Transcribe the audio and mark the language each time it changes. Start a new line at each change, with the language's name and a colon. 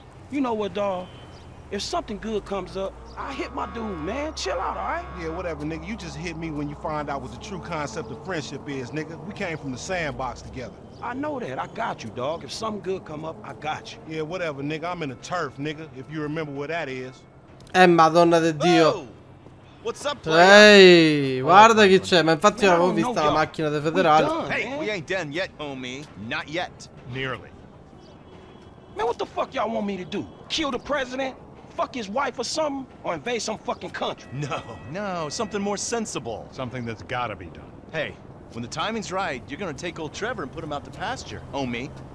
English: You know what, dawg? If something good comes up, I hit my dude, man. Chill out, all right? Yeah, whatever, nigga. You just hit me when you find out what the true concept of friendship is, nigga. We came from the sandbox together. I know that. I got you, dog. If something good come up, I got you. Yeah, whatever, nigga. I'm in the turf, nigga, if you remember where that is.
Italian: Madonna di Dio.
English: What's up,
Italian: hey, guarda chi c'è. Ma infatti avevo visto la macchina del federale.
English: Hey, we ain't done yet, homie. Not yet. Nearly. Man, what the fuck y'all want me to do? Kill the president? Fuck his wife or something? Or invade some fucking country? No. Something more sensible. Something that's gotta be done. Hey, when the timing's right, you're gonna take old Trevor and put him out to pasture, homie.